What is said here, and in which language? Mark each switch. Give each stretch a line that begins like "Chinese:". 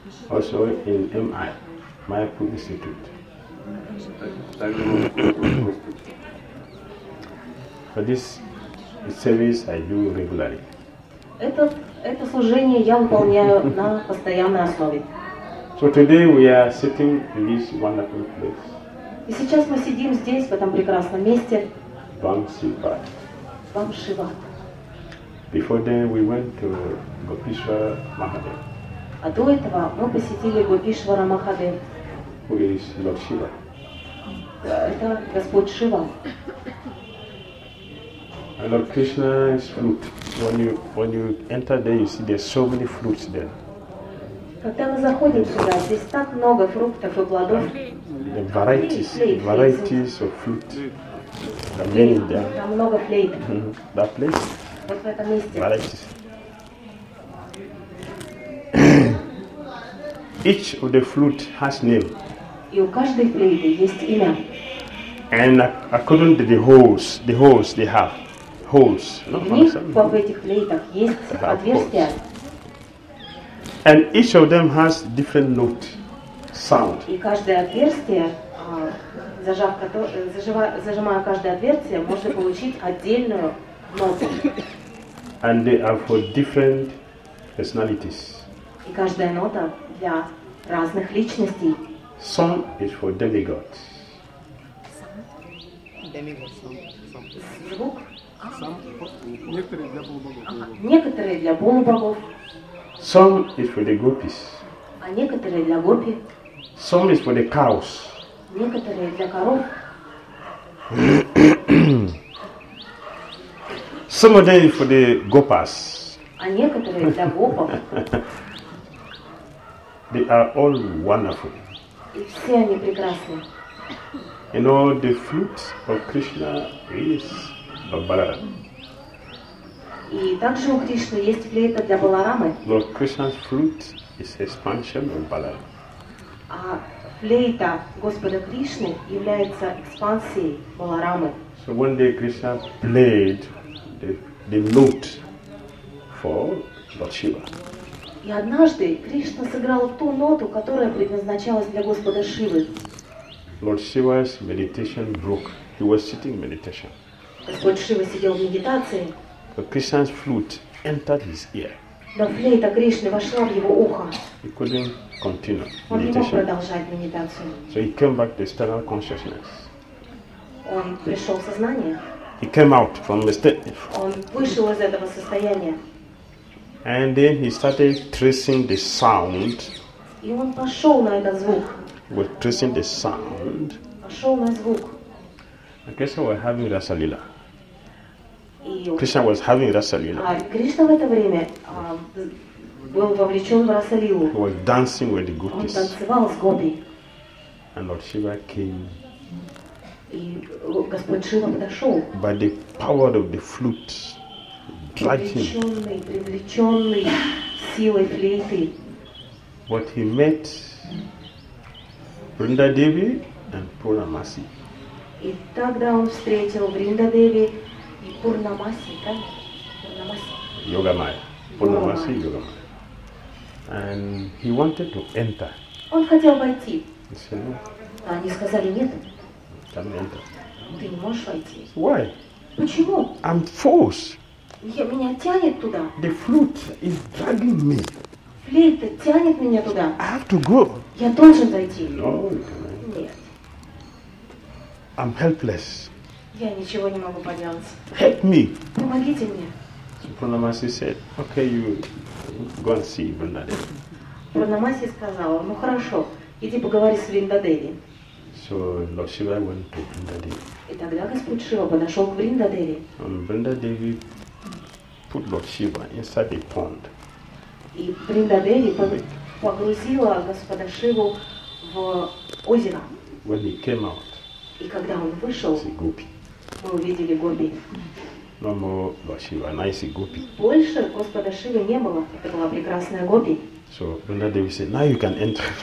English: Also in MI, Майяпур Институт.
Russian: Также в Майяпур Институте.
English: For this service I do regularly.
Russian: Это служение я выполняю на постоянной основе.
English: So today we are sitting in this wonderful place.
Russian: И сейчас мы сидим здесь, в этом прекрасном месте. Бамшивад.
English: Before then we went to Gopishwara Mahadev.
Russian: А до этого мы посетили Гопишвара Махадев.
English: Who is Lord Shiva?
Russian: Это Господь Шива.
English: And Lord Krishna is fruit. When you enter there, you see there's so many fruits there.
Russian: Когда мы заходим сюда, здесь так много фруктов и плодов.
English: The varieties of fruit.
Russian: Там много флейт. Да, флейт. Вот в этом месте.
English: Each of the flute has name.
Russian: И у каждой флейты есть имя.
English: And according to the holes they have. Holes.
Russian: В этих флейтах есть отверстия.
English: And each of them has different note, sound.
Russian: И каждое отверстие. Зажимая каждое отверстие, можно получить отдельную ноту.
English: And they are for different personalities.
Russian: И каждая нота для разных личностей.
English: Some is for demigods.
Russian: Некоторые для полубогов.
English: Some is for the gopis.
Russian: А некоторые для гопи.
English: Some is for the cows.
Russian: Некоторые для коров.
English: Some of them for the gopas.
Russian: А некоторые для гопов.
English: They are all wonderful.
Russian: И все они прекрасны.
English: You know, the flute of Krishna is Balarama.
Russian: И также у Кришны есть флейта для Баларамы.
English: Lord Krishna's flute is expansion of Balarama.
Russian: Флейта Господа Кришны является экспансией Баларамы.
English: So one day Krishna played the note for Lord Shiva.
Russian: И однажды Кришна сыграл ту ноту, которая предназначалась для Господа Шивы.
English: Lord Shiva's meditation broke. He was sitting in meditation.
Russian: Господь Шива сидел в медитации.
English: A Krishna's flute entered his ear.
Russian: Но флейта Кришны вошла в его ухо.
English: He couldn't continue.
Russian: Он не мог продолжать медитацию.
English: So he came back to external consciousness.
Russian: Он пришел в сознание.
English: He came out from the state.
Russian: Он вышел из этого состояния.
English: And then he started tracing the sound.
Russian: И он пошел на этот звук.
English: He was tracing the sound.
Russian: Пошел на звук.
English: And Krishna was having Rasa Lila. Krishna was having Rasa Lila.
Russian: Krishna в это время был вовлечен в Rasa Lilu.
English: He was dancing with the gopis.
Russian: Он танцевал с гопи.
English: And Lord Shiva came.
Russian: И Господь Шива подошел.
English: By the power of the flute, dragged him.
Russian: Привлеченный силой флейты.
English: But he met Vrinda Devi and Purna Masi.
Russian: И тогда он встретил Vrinda Devi и Purna Masi, да? Purna Masi.
English: Yoga Maya. Purna Masi и Yoga Maya. And he wanted to enter.
Russian: Он хотел войти.
English: He said no.
Russian: Они сказали нет.
English: Can I enter?
Russian: Ты не можешь войти.
English: Why?
Russian: Почему?
English: I'm forced.
Russian: Я, меня тянет туда.
English: The flute is dragging me.
Russian: Флейта тянет меня туда.
English: I have to go.
Russian: Я должен зайти.
English: No.
Russian: Нет.
English: I'm helpless.
Russian: Я ничего не могу поделать.
English: Help me.
Russian: Помогите мне.
English: So Purna Masi said, okay, you go and see Vrinda Devi.
Russian: Purna Masi сказала, ну хорошо, иди поговори с Vrinda Devi.
English: So Lord Shiva went to Vrinda Devi.
Russian: И тогда Господь Шива подошел к Vrinda Devi.
English: And Vrinda Devi put Lord Shiva inside the pond.
Russian: И Vrinda Devi погрузила Господа Шиву в озеро.
English: When he came out.
Russian: И когда он вышел,
English: see gopi.
Russian: Мы увидели гопи.
English: No more Lord Shiva, nice gopi.
Russian: Больше Господа Шивы не было, это была прекрасная гопи.
English: So Vrinda Devi said, now you can enter.